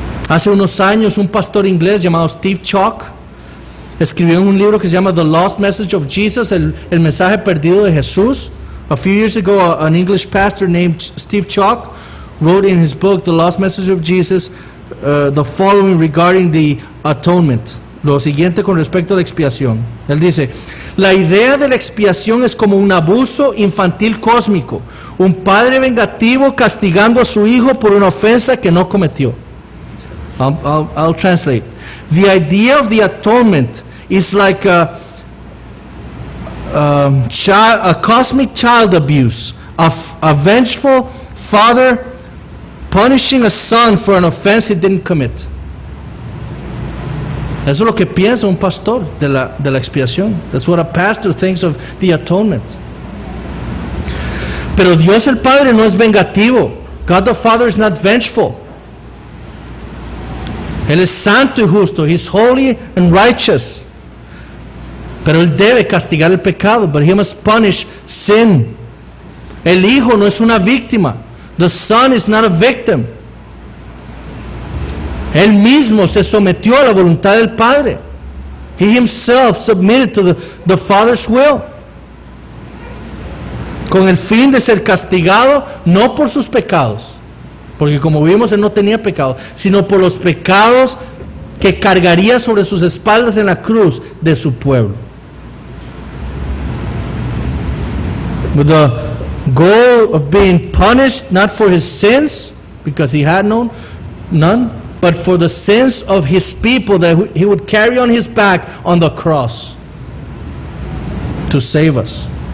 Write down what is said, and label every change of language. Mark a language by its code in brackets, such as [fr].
[es] Hace unos años, un pastor inglés llamado Steve Chalk escribió en un libro que se llama The Lost Message of Jesus, el mensaje perdido de Jesús. [en] A few years ago, an English pastor named Steve Chalk wrote in his book The Lost Message of Jesus the following regarding the atonement. [es] Lo siguiente con respecto a la expiación. Él dice: la idea de la expiación es como un abuso infantil cósmico, un padre vengativo castigando a su hijo por una ofensa que no cometió. [en] I'll translate. The idea of the atonement is like a cosmic child abuse, a vengeful father punishing a son for an offense he didn't commit. [es] Eso es lo que piensa un pastor de la expiación. [en] That's what a pastor thinks of the atonement. [es] Pero Dios el Padre no es vengativo. [en] God the Father is not vengeful. [es] Él es santo y justo. [en] He's holy and righteous. [es] Pero Él debe castigar el pecado. [en] But He must punish sin. [es] El Hijo no es una víctima. [en] The Son is not a victim. [es] Él mismo se sometió a la voluntad del Padre. [en] He himself submitted to the Father's will. [es] Con el fin de ser castigado, no por sus pecados, porque como vimos, Él no tenía pecado, sino por los pecados que cargaría sobre sus espaldas en la cruz de su pueblo. [en] With the goal of being punished, not for his sins, because he had none, but for the sins of his people that he would carry on his back on the cross to save us.